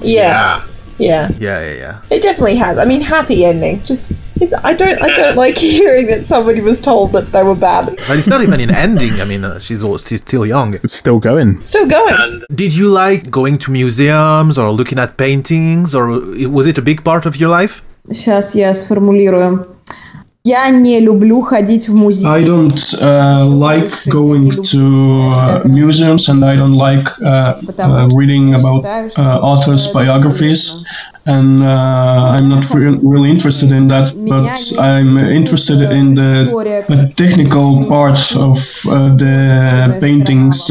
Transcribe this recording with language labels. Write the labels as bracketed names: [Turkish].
[English] Yeah. It definitely has. I mean, happy ending. I don't like hearing that somebody was told that they were bad. But it's not even an ending. I mean, she's still young. It's still going. Did you like going to museums or looking at paintings, or was it a big part of your life? [Russian] Сейчас я сформулирую. Я не люблю ходить в музей. [English] I don't like going to museums, and I don't like reading about authors' biographies. And I'm not really interested in that, but I'm interested in the technical part of the paintings.